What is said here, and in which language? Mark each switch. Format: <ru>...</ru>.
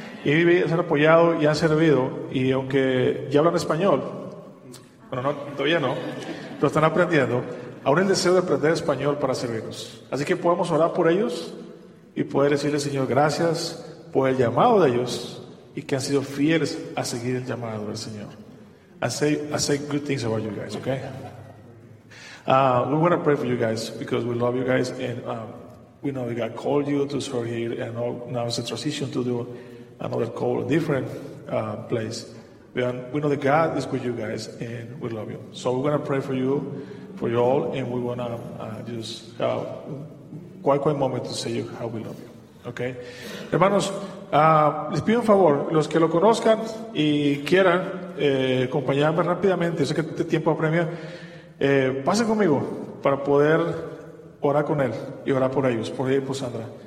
<es>Y vive, se han apoyado y han servido. Y aunque ya hablan español, bueno, no, todavía no, pero están aprendiendo, aún el deseo de aprender español para servirnos. Así que podemos orar por ellos y poder decirle, Señor, gracias por el llamado de ellos y que han sido fieles a seguir el llamado del Señor.</es> <en>I say good things about you guys, okay? We want to pray for you guys because we love you guys, and we know that God called you to serve here, and now it's a transition to do another call, a different place. We know that God is with you guys, and we love you. So we're going to pray for you all, and we want to just have a quiet moment to say how we love you, okay?</en> <es>Hermanos, les pido un favor, los que lo conozcan y quieran acompañarme rápidamente, sé que este tiempo apremia, pasen conmigo para poder orar con él y orar por ellos, por ella y por Sandra.</es>